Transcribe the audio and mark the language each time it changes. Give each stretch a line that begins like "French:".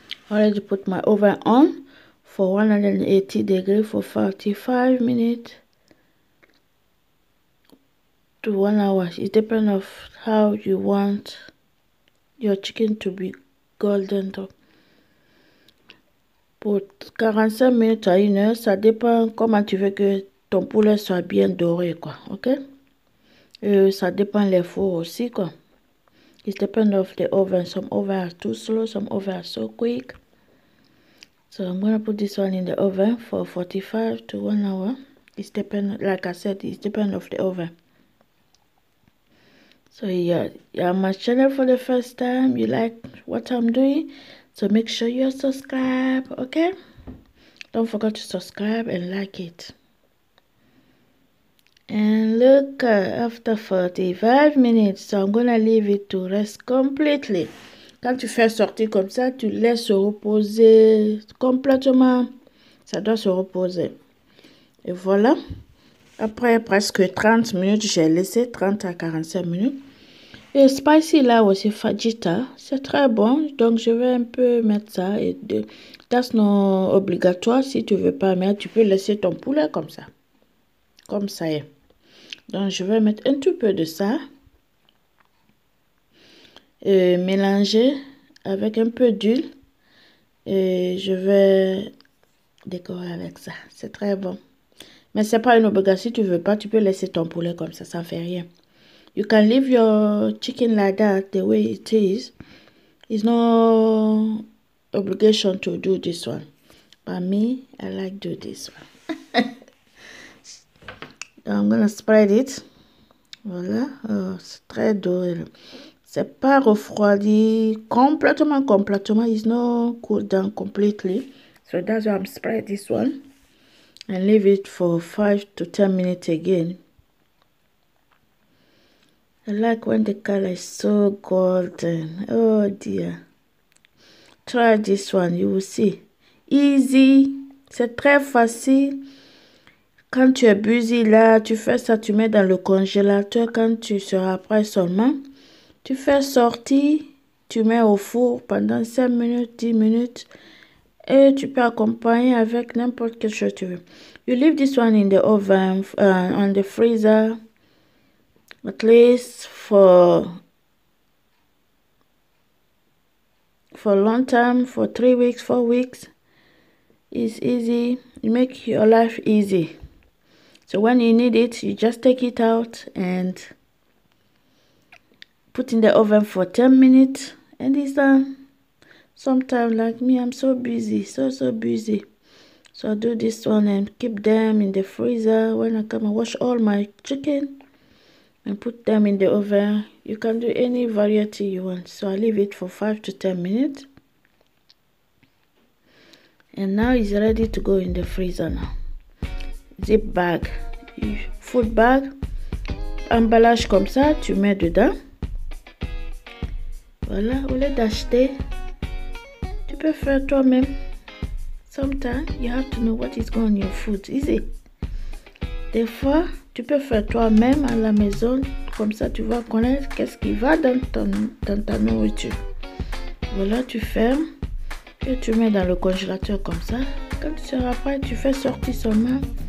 English: I'll put my oven on for 180 degrees for 45 minutes to 1 hour. It depends on how you want your chicken to be golden.
French: Pour 45 minutes à 1 heure, ça dépend comment tu veux que ton poulet soit bien doré, quoi. Ok? Ça dépend les fours aussi, quoi.
English: It depends on the oven. Some ovens are too slow, some ovens are so quick. So I'm going to put this one in the oven for 45 to 1 hour. It depends, like I said, it depends on the oven. So yeah, you're on my channel for the first time. You like what I'm doing? So make sure you subscribe, okay? Don't forget to subscribe and like it. And look, after 45 minutes, so I'm gonna leave it to rest completely.
French: Quand tu fais sortir comme ça, tu laisses se reposer complètement. Ça doit se reposer. Et voilà. Après presque 30 minutes, j'ai laissé 30 à 45 minutes. Et spicy là aussi, fajita, c'est très bon. Donc je vais un peu mettre ça. Et de tasse non obligatoire, si tu veux pas mettre, tu peux laisser ton poulet comme ça. Comme ça est. Donc je vais mettre un tout peu de ça. Et mélanger avec un peu d'huile. Et je vais décorer avec ça. C'est très bon. Mais ce n'est pas une obligation. Si tu veux pas, tu peux laisser ton poulet comme ça. Ça ne fait rien.
English: You can leave your chicken like that, the way it is. It's no obligation to do this one. But me, I like to do this one. I'm gonna spread it. Voilà.
French: Oh, c'est très doux. C'est pas refroidi complètement, complètement.
English: It's not cooled down completely. So that's why I'm spread this one. And leave it for 5 to 10 minutes again. I like when the color is so golden. Oh dear. Try this one, you will see. Easy.
French: C'est très facile. Quand tu es busy là, tu fais ça, tu mets dans le congélateur. Quand tu seras prêt seulement, tu fais sortir, tu mets au four pendant 5 minutes, 10 minutes. Et tu peux accompagner avec n'importe quelle chose que tu veux.
English: You leave this one in the oven, on the freezer. At least for long time, for 3 weeks, 4 weeks. It's easy. You make your life easy. So when you need it, you just take it out and put in the oven for 10 minutes and it's done. Sometimes like me, I'm so busy, so busy. So I do this one and keep them in the freezer. When I come and wash all my chicken and put them in the oven, you can do any variety you want. So I leave it for 5 to 10 minutes. And now it's ready to go in the freezer now. Zip bag, food bag,
French: emballage comme ça, tu mets dedans. Voilà, au lieu d'acheter, tu peux faire toi-même.
English: Sometimes you have to know what is going on your food, is it?
French: Des fois, tu peux faire toi-même à la maison, comme ça tu vas connaître qu'est-ce qui va dans ta nourriture. Voilà, tu fermes et tu mets dans le congélateur comme ça. Quand tu seras prêt, tu fais sortir seulement.